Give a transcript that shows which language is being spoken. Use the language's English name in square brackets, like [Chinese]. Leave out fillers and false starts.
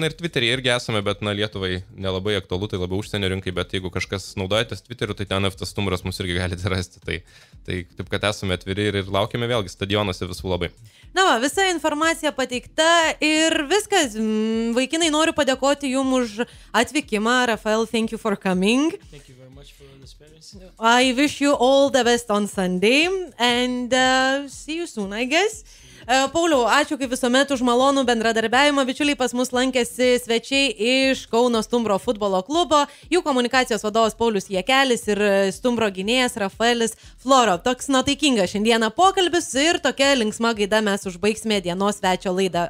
[Lithuanian] Na ir Twitter'e irgi esame, bet na Lietuvai nelabai aktualu, tai labiau užsienio rinkai, bet jeigu kažkas naudojatės Twitter'u, tai ten FC Stumbras mus irgi galite rasti. Tai taip kad esame atviri ir laukiame vėlgi stadionuose visų labai. Na va, visa informacija pateikta ir viskas. Vaikinai, noriu padėkoti jum už atvykimą. [English] Rafael, thank you for coming. Thank you very much for the experience. I wish you all the best on Sunday and see you soon, I guess. [Lithuanian] Pauliau, ačiū kaip visuomet už malonų bendradarbiavimą. Bičiuliai, pas mus lankėsi svečiai iš Kauno Stumbro futbolo klubo, jų komunikacijos vadovas Paulius Jekelis ir Stumbro gynėjas Rafaelis Floro. Toks nuotaikingas šiandieną pokalbis ir tokia linksma gaida mes užbaigsime dienos svečio laidą.